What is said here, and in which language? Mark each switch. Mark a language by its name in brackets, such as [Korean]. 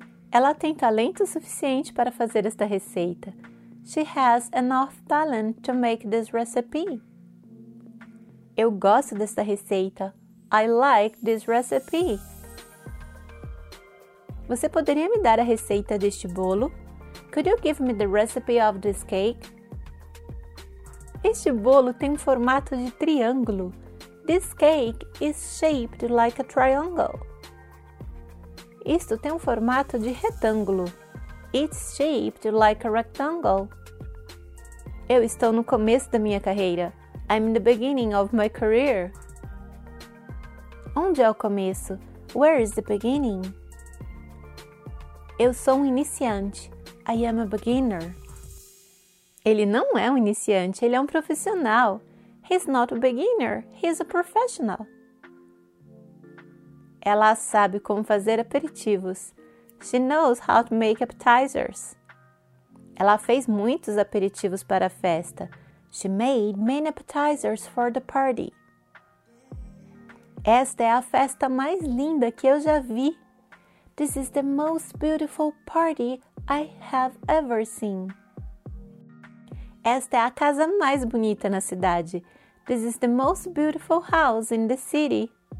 [Portuguese] Ela tem talento suficiente para fazer esta receita. [English] She has enough talent to make this recipe. [Portuguese] Eu gosto desta receita. [English] I like this recipe. [Portuguese] Você poderia me dar a receita deste bolo? [English] Could you give me the recipe of this cake? [Portuguese] Este bolo tem um formato de triângulo. [English] This cake is shaped like a triangle. [Portuguese] Isto tem um formato de retângulo. [English] It's shaped like a rectangle. [Portuguese] Eu estou no começo da minha carreira. [English] I'm in the beginning of my career. [Portuguese] Onde é o começo? [English] Where is the beginning? [Portuguese] Eu sou um iniciante. [English] I am a beginner. [Portuguese] Ele não é um iniciante, ele é um profissional. [English] He's not a beginner, he's a professional. [Portuguese] Ela sabe como fazer aperitivos. [English] She knows how to make appetizers. [Portuguese] Ela fez muitos aperitivos para a festa. [English] She made many appetizers for the party. [Portuguese] Esta é a festa mais linda que eu já vi. [English] This is the most beautiful party I have ever seen. [Portuguese] Esta é a casa mais bonita na cidade. [English] This is the most beautiful house in the city.